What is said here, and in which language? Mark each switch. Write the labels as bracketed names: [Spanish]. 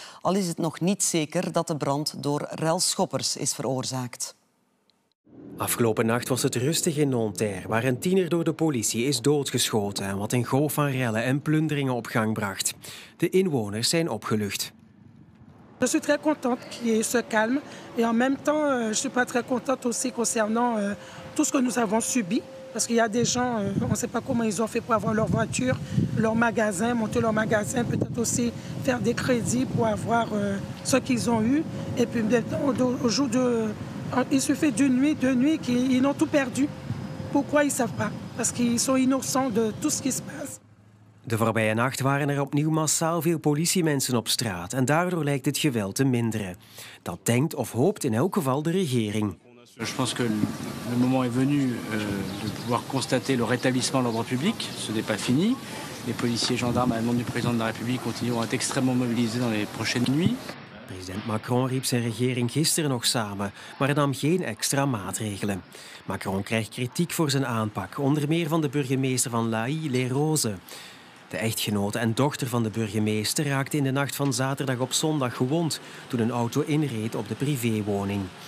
[Dutch] Al is het nog niet zeker dat de brand door relschoppers is veroorzaakt. Afgelopen nacht was het rustig in Nanterre, waar een tiener door de politie is doodgeschoten, wat een golf van rellen en plunderingen op gang bracht. De inwoners zijn opgelucht. [French] Je suis très contente qu'il y ait ce calme et en même temps je suis pas très contente aussi concernant tout ce que nous avons subi parce qu'il y a des gens on sait pas comment ils ont fait pour avoir leur voiture, leur magasin, monter leur magasin, peut-être aussi faire des crédits pour avoir ce qu'ils ont eu et puis au jour de il suffit d'une nuit, deux nuits qu'ils ont tout perdu. Pourquoi ils savent pas? Parce qu'ils sont innocents de tout ce qui se passe. [Dutch] De voorbije nacht waren er opnieuw massaal veel politiemensen op straat en daardoor lijkt het geweld te minderen. Dat denkt of hoopt in elk geval de regering. [French] Je pense que le moment est venu de pouvoir constater le rétablissement de l'ordre public. Ce n'est pas fini. Les policiers et gendarmes à la demande du président de la République continueront à être extrêmement mobilisés dans les prochaines nuits. [Dutch] President Macron riep zijn regering gisteren nog samen, maar nam geen extra maatregelen. Macron krijgt kritiek voor zijn aanpak, onder meer van de burgemeester van La Haye-les-Roses. De echtgenote en dochter van de burgemeester raakte in de nacht van zaterdag op zondag gewond toen een auto inreed op de privéwoning.